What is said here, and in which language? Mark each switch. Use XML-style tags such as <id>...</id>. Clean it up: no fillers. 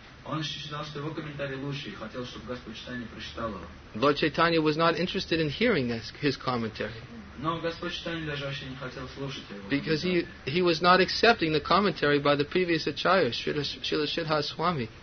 <ru>Он считал, что его комментарий лучше и хотел, чтобы Господь Чайтанья прочитал его.</ru> <en>Lord Chaitanya was not interested in hearing his commentary.</en> <ru>Но Господь Чайтанья даже вообще не хотел слушать его.</ru> <en>Because he was not accepting the commentary by the previous acharya, Śrīla Śrīdhara Swami.</en>